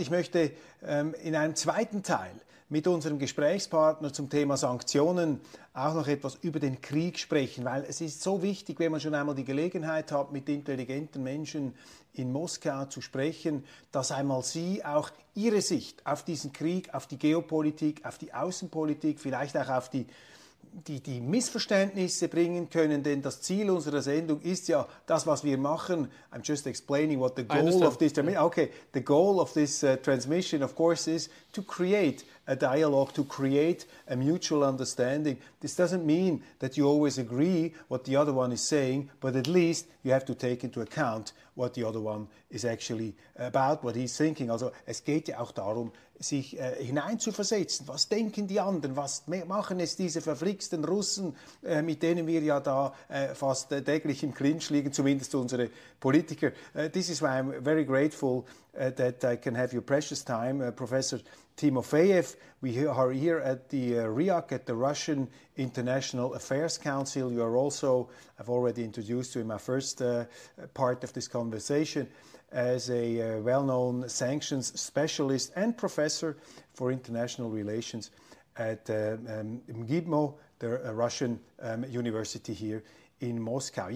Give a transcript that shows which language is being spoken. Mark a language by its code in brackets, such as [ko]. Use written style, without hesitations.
[de] Ich möchte in einem zweiten Teil mit unserem Gesprächspartner zum Thema Sanktionen auch noch etwas über den Krieg sprechen, weil es ist so wichtig, wenn man schon einmal die Gelegenheit hat, mit intelligenten Menschen in Moskau zu sprechen, dass einmal Sie auch Ihre Sicht auf diesen Krieg, auf die Geopolitik, auf die Außenpolitik, vielleicht auch auf die Missverständnisse bringen können, denn das Ziel unserer Sendung ist ja das, was wir machen. [en] I'm just explaining what the goal of this transmission, of course, is to create a dialogue, to create a mutual understanding. This doesn't mean that you always agree what the other one is saying, but at least you have to take into account what the other one is actually about, what he's thinking. [de] Also es geht ja auch darum, sich hineinzuversetzen. Was denken die anderen? Was machen es diese verflixten Russen, mit denen wir ja da fast täglich im Clinch liegen, zumindest unsere Politiker? [en] This is why I'm very grateful that I can have your precious time, Professor Timofeyev. We are here at the RIAC, at the Russian International Affairs Council. You are also, I've already introduced you in my first part of this conversation, as a well-known sanctions specialist and professor for international relations at MGIMO, the Russian university here in Moscow.